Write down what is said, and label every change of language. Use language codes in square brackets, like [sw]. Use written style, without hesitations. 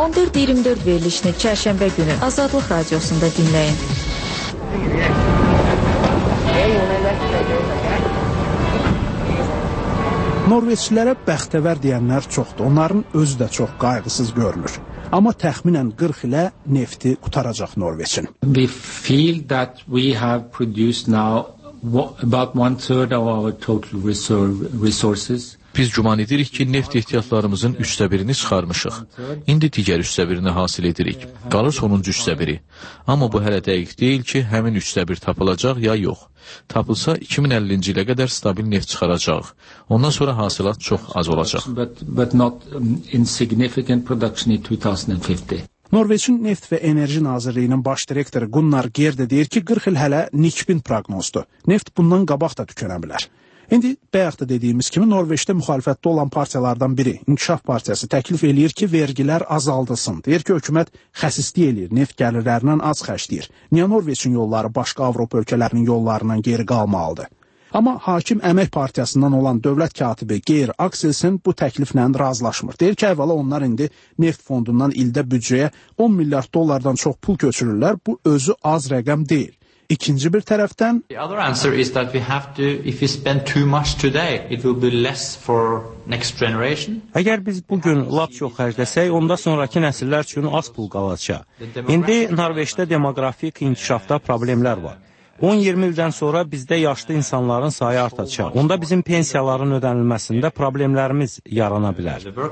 [az] 14-24 verilişini Çərşənbə günü Azadlıq Radiosunda dinləyin. Norveçlilərə bəxtəvər deyənlər çoxdur. Onların özü də çox qayğısız görünür. Amma təxminən 40 ilə nefti qutaracaq Norveçin. [en] We feel that we have produced now About one third of our total resources. [az] Biz güman edirik ki, neft ehtiyatlarımızın üçdə birini çıxarmışıq. İndi digər üçdə birini hasil edirik. Qalır sonuncu üçdə biri. Amma bu hələ dəqiq deyil ki, həmin üçdə bir tapılacaq ya yox. Tapılsa, 2050-ci ilə qədər stabil neft çıxaracaq. Ondan sonra hasilat çox az olacaq. Norveçin Neft və Enerji Nazirliyinin baş direktoru Gunnar Gerde deyir ki, 40 il hələ nikbin proqnozdur. Neft bundan qabaq da tükənə bilər. İndi bayaq da dediyimiz kimi Norveçdə müxalifətdə olan partiyalardan biri İnkişaf Partiyası təklif eləyir ki, vergilər azaldılsın. Deyir ki, hökumət xəsisliyə eləyir, neft gəlirlərindən az xərcləyir. Niyə Norveçin yolları başqa Avropa ölkələrinin yollarından geri qalmalıdır? Amma hakim Əmək Partiyasından olan dövlət katibi Geir Axelsen bu təkliflə razılaşmır. Deyir ki, əvvəla onlar indi neft fondundan ildə büdcəyə 10 milyard dollardan çox pul köçürürlər. Bu özü az rəqəm deyil. İkinci bir tərəfdən [en] The other answer is that we have to if we spend too much today it will be less for next generation. [az] Əgər biz bu gün lap çox xərcləsək, onda sonrakı nəsillər üçün az pul qalacaq. İndi Norveçdə demoqrafik inkişafda problemlər var. 10-20 ildən sonra bizdə yaşlı insanların sayı artacaq. Onda bizim pensiyaların ödənilməsində problemlərimiz yarana bilər.